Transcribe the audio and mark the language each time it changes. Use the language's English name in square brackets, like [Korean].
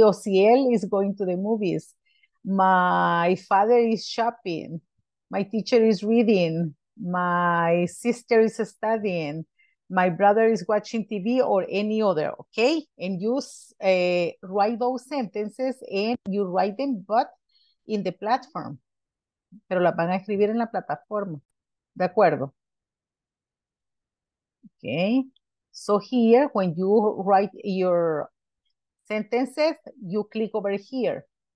[English] Ociel is going to the movies. My father is shopping. My teacher is reading. My sister is studying. My brother is watching TV or any other, okay? And you write those sentences and you write them, but in the platform. [Spanish] Pero las van a escribir en la plataforma. ¿De acuerdo? [English] Okay. So here, when you write your sentences, you click over here.